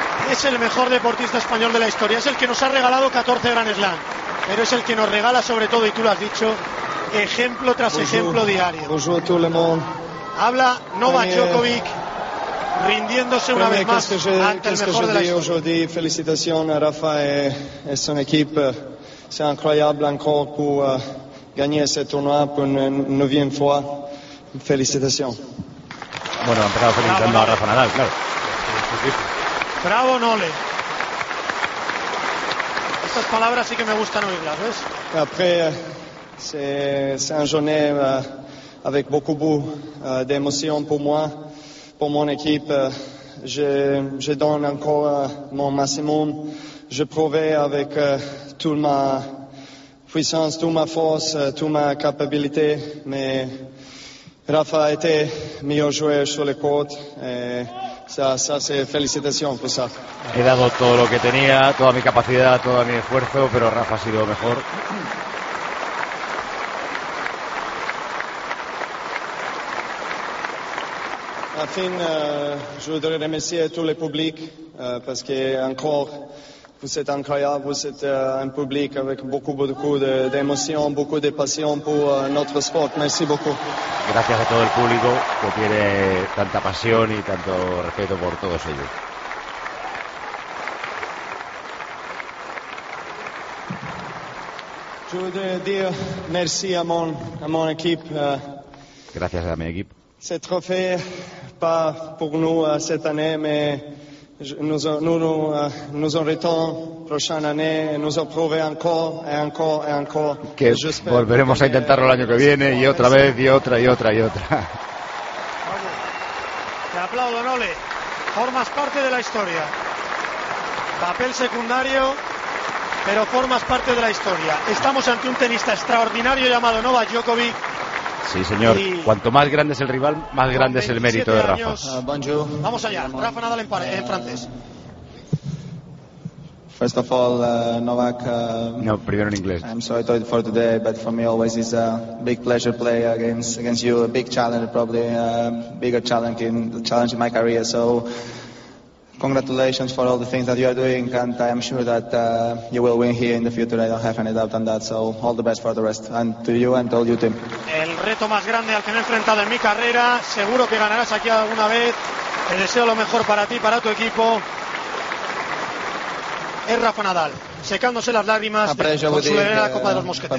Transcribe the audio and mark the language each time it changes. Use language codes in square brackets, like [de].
[es] Es el mejor deportista español de la historia. Es el que nos ha regalado 14 Grand Slam. Pero es el que nos regala sobre todo, y tú lo has dicho, ejemplo tras ejemplo diario. [fr] Bonjour tout le monde. [es] Habla Novak Djokovic rindiéndose una vez más ante el mejor de la historia. [fr] Aujourd'hui, félicitations à Rafa et son équipe. C'est incroyable encore pour gagner ce tournoi pour une 9e fois. [es] Felicitación. Bueno, ha empezado felicitando a Rafa Nadal, claro. Bravo, Nole. Estas palabras sí que me gustan oírlas, ¿ves? [fr] Après, c'est un journée avec beaucoup d'émotion pour mon équipe. Je donne encore mon maximum. Je prouve avec toute ma puissance, toute ma force, toute ma capacité, mais Rafa a été meilleur joueur sur le court. Ça c'est félicitations pour ça. [es] He dado todo lo que tenía, toda mi capacidad, todo mi esfuerzo, pero Rafa ha sido mejor. [fr] Enfin, je voudrais remercier tout le public parce que encore vous êtes incroyable, vous êtes un public avec beaucoup d'émotions, beaucoup de passion pour notre sport. Merci beaucoup. [es] Gracias a todo el público que tiene tanta pasión y tanto respeto por todos ellos. [fr] Je voudrais dire merci à mon équipe. [es] Gracias a mi equipo. [fr] Ce trophée, pas pour nous cette année, mais nous en retournons la prochaine année et nous en prouvons encore et encore et encore. [es] Que volveremos a intentarlo el año que viene y otra vez y otra y otra y otra. Te aplaudo, Nole. Formas parte de la historia. Papel secundario, pero formas parte de la historia. Estamos ante un tenista extraordinario llamado Novak Djokovic. Sí, señor. Cuanto más grande es el rival, más grande es el mérito de Rafa. [fr] Bonjour. [es] Vamos allá. Rafa Nadal en francés. [en] First of all, Novak. [es] No, primero en inglés. [en] I'm sorry to for today, but for me always is a big pleasure play against you. A big challenge, probably a bigger challenge in my career. So, congratulations for all the things that you are doing, and I am sure that you will win here in the future. I don't have any doubt on that. So all the best for the rest, and to you and all your team. [es] El reto más grande al que me he enfrentado en mi carrera. Seguro que ganarás aquí alguna vez. Te deseo lo mejor para ti, para tu equipo. Es Rafa Nadal, secándose las lágrimas de la Copa de los Mosqueteros.